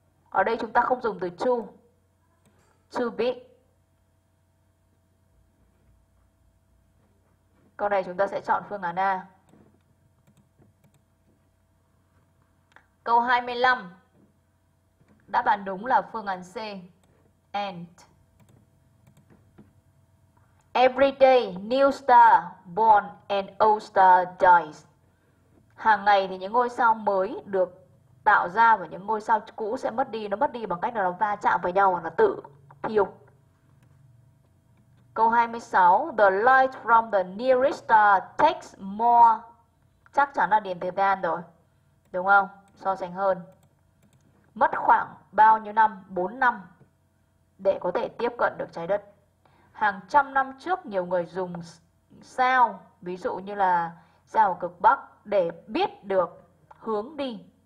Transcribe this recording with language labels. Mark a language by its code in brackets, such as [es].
[vi] Ở đây chúng ta không dùng từ too. Too big. Câu này chúng ta sẽ chọn phương án A. Câu 25. Đáp án đúng là phương án C. [en] And. Every day, new star born and old star dies. [vi] Hàng ngày thì những ngôi sao mới được tạo ra và những ngôi sao cũ sẽ mất đi. Nó mất đi bằng cách nào? Nó va chạm với nhau hoặc là tự thiêu. Câu 26. [en] The light from the nearest star takes more. [vi] Chắc chắn là điện tử đen rồi. Đúng không? So sánh hơn. Mất khoảng bao nhiêu năm? 4 năm để có thể tiếp cận được trái đất. Hàng trăm năm trước nhiều người dùng sao, ví dụ như là sao cực Bắc, để biết được hướng đi.